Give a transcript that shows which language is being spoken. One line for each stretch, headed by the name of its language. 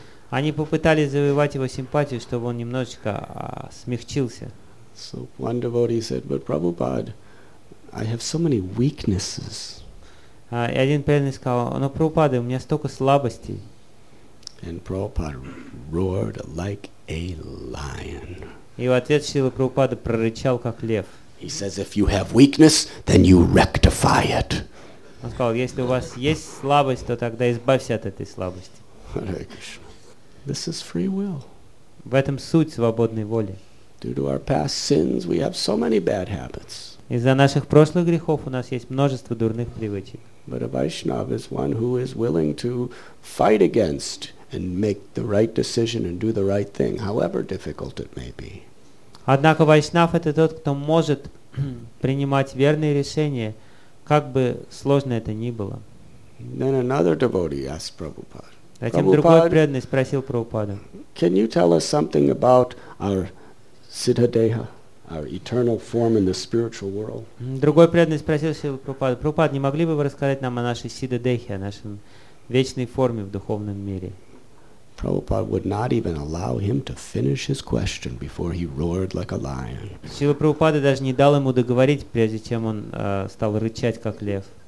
Russian: Они попытались завоевать его симпатию, чтобы он немножечко смягчился.
English: So one devotee said, but Prabhupada, I have so many weaknesses.
Russian: И один преданный сказал, но Прабхупада, у меня столько слабостей.
English: And Prabhupada roared like a lion.
Russian: И в ответ Шрила Прабхупада прорычал, как лев.
English: He says, if you have weakness, then you rectify it.
Russian: Он сказал, если у вас есть слабость, то тогда избавься от этой слабости.
English: Hare Krishna. This is free will.
Russian: В этом суть свободной воли.
English: Due to our past sins, we have so many bad habits.
Russian: Из-за наших прошлых грехов у нас есть множество дурных привычек.
English: But a Vaishnava is one who is willing to fight against and make the right decision and do the right thing, however difficult it may be.
Russian: Однако вайшнав это тот, кто может принимать верные решения, как бы сложно это ни было.
English: Then another devotee asked Prabhupada.
Russian: Затем другой преданный спросил Прабхупаду.
English: Can you tell us something about our siddhadeha, our eternal form in the spiritual world?
Russian: Другой преданный спросил Прабхупаду. Прабхупад, не могли бы вы рассказать нам о нашей сиддхадехе, о нашем вечной форме в духовном мире?
English: Prabhupada would not even allow him to finish his question before he roared like a lion.
Russian: Шрила Прабхупада даже не дал ему договорить, прежде чем он стал рычать, как лев.